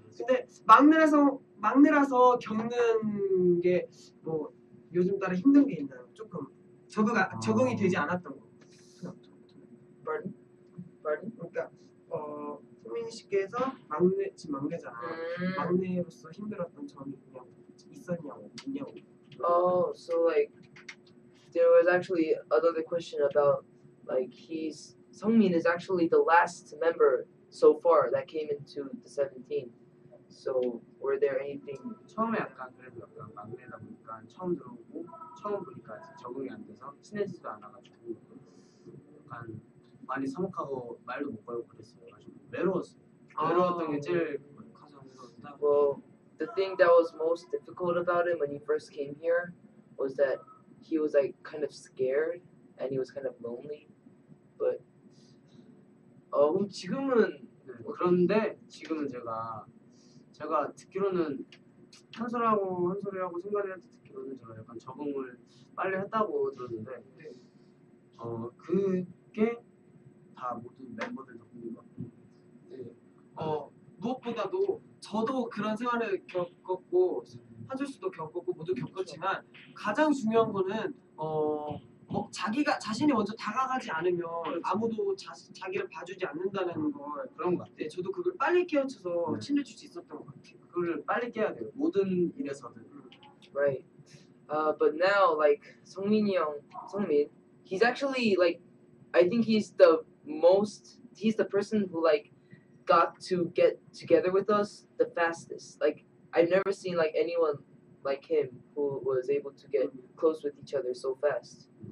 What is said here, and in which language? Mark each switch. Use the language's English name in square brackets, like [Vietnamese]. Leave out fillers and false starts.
[Korean] 근데 막내라서 겪는 게 뭐 요즘 따라 힘든 게 있나요? 조금 적응이 되지 않았던 거. [English] Pardon? [Korean] 그러니까 성민 씨께서 막내 지금 막내잖아. 막내로서 힘들었던 점이 뭐 있었냐고 있냐고. [English] Oh, so like, there was actually another question about, like, Seungmin is actually the last member so far that came into the 17. So, were there anything? [Korean] 처음에 약간 그래도 약간 막내다 보니까 처음 들어오고 처음 보니까 적응이 안 돼서 친해지도 않아가지고 약간 많이 서먹하고 말도 못 걸고 그랬어요. 가지고 외로웠어요. 외로웠던 게 제일 가장 힘들었다고. [English] The thing that was most difficult about him when he first came here was that he was like kind of scared and he was kind of lonely. But [Korean] 지금은 네, 그런데 지금은 제가 듣기로는 한솔하고 승관이한테 듣기로 이거는 제가 약간 적응을 빨리 했다고 들었는데 네. 어 그게 다 모든 멤버들 덕분인 것 같아요. 무엇보다도 저도 그런 생활을 겪었고 한철수도 겪었고 모두 겪었지만 그렇죠. 가장 중요한 거는 자기가 자신이 먼저 다가가지 않으면 그렇죠. 아무도 자기를 봐주지 않는다는 걸 그런 것 같아요. 네, 저도 그걸 빨리 깨우쳐서 친해질 수 있었던 것 같아요. 그걸 빨리 깨야 돼요. 모든 일에서는. [English] Right. But now, like [Korean] 성민이 형, [English] 성민, he's actually like, I think he's the most. He's the person who like got to get together with us the fastest. Like I've never seen like anyone like him who was able to get close with each other so fast.